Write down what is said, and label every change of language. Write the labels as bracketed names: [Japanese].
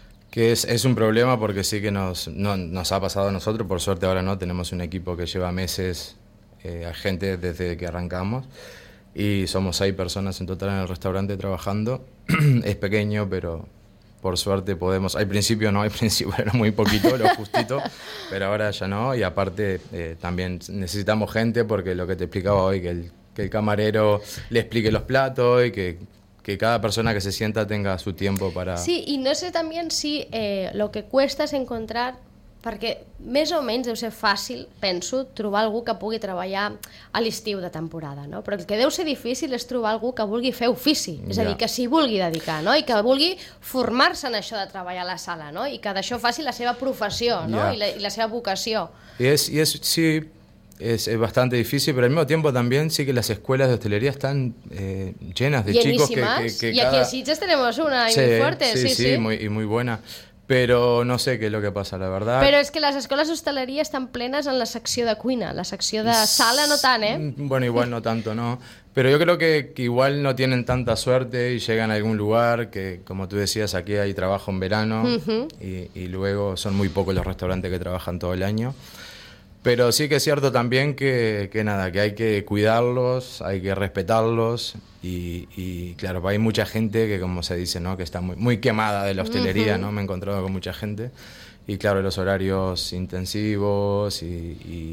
[Spanish] Que es un problema porque sí que nos ha pasado a nosotros, por suerte ahora no, tenemos un equipo que lleva meses a gente desde que arrancamos y somos 6 personas en total en el restaurante trabajando, es pequeño pero por suerte podemos, al principio era muy poquito, lo justito, pero ahora ya no y aparte también necesitamos gente porque lo que te explicaba hoy, que el camarero le explique los platos y que cada persona que se sienta tenga su tiempo para... Sí, y no sé también si lo que cuesta es encontrar, [Catalan] perquè més o menys deu ser fàcil, penso, trobar algú que pugui treballar a l'estiu de temporada, no? Però el que deu ser difícil és trobar algú que vulgui fer ofici, és a dir, que s'hi vulgui dedicar, no? I que vulgui formar-se en això de treballar a la sala, no? I que d'això faci la seva professió, no? I la seva vocació. I és, sí, [Spanish] Es bastante difícil, pero al mismo tiempo también sí que las escuelas de hostelería están llenas de llenísimas. Chicos que y aquí en Sitges tenemos una y sí, muy fuerte. Sí, muy buena. Pero no sé qué es lo que pasa, la verdad. [Catalan] Però és que les escoles d'hostaleria estan plenes en la secció de cuina, la secció de sala no tant, eh? [Spanish] Bueno, igual no tanto, no. Pero yo creo que igual no tienen tanta suerte y llegan a algún lugar que, como tú decías, aquí hay trabajo en verano y luego son muy pocos los restaurantes que trabajan todo el año. Pero sí que es cierto también que nada, que hay que cuidarlos, hay que respetarlos y claro, hay mucha gente que, como se dice, ¿no?, que está muy, muy quemada de la hostelería, ¿no? Me he encontrado con mucha gente y claro, los horarios intensivos y